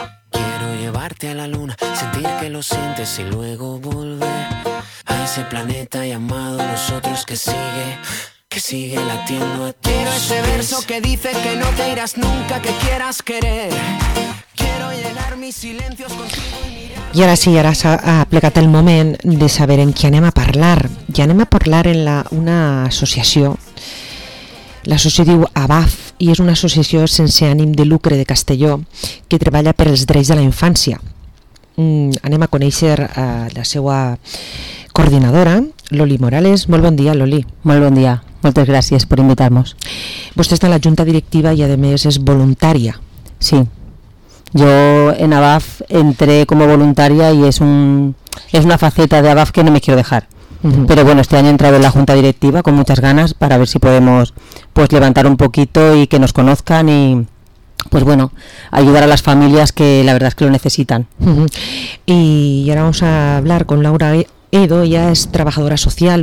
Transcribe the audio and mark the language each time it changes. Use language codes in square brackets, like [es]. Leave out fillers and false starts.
[es] Quiero llevarte a la luna, sentir que lo sientes y luego volver a ese planeta llamado nosotros, que sigue latiendo a tus Quiero ese pies. Verso que dice que no te irás nunca, que quieras querer. Quiero llenar mis silencios contigo y mirar. [ca] I ara sí, ara ha plegat el moment de saber en qui anem a parlar. I anem a parlar en una associació. L'associació diu ABAF i és una associació sense ànim de lucre de Castelló que treballa per els drets de la infància. Anem a conèixer la seva coordinadora, Loli Morales. Molt bon dia, Loli. Molt bon dia. Moltes gràcies per invitar-nos. Vostè està en la junta directiva i, a més, és voluntària. Sí. Jo en ABAF entré com a voluntària i és una faceta de ABAF [es] que no me quiero dejar. Uh-huh. Pero bueno, este año he entrado en la junta directiva con muchas ganas para ver si podemos pues levantar un poquito y que nos conozcan y pues bueno, ayudar a las familias que la verdad es que lo necesitan. Uh-huh. Y ahora vamos a hablar con Laura Edo, ella es trabajadora social.